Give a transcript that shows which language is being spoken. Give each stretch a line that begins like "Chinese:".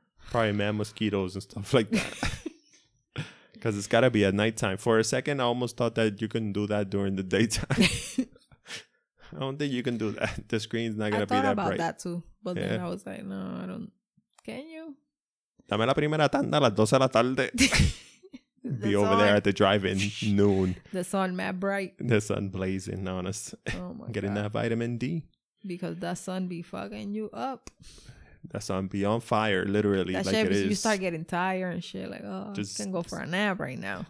English: Probably mad mosquitoes and stuff like that. Because it's got to be at nighttime. For a second, I almost thought that you couldn't do that during the daytime. I don't think you can do that. The screen's not going to be that bright. I thought about that too. But then I was like, no, I don't. Can you?
Spanish: Dame la primera tanda a las 12 de la tarde.
English: Be the over sun. There at the drive-in noon. The sun mad bright. The sun blazing on us. Oh my getting God. That vitamin D. Because that sun be fucking you up. That sun be on fire, literally. That like shit, it is. You start getting tired and shit. Like, oh, just, I can go for a nap right now.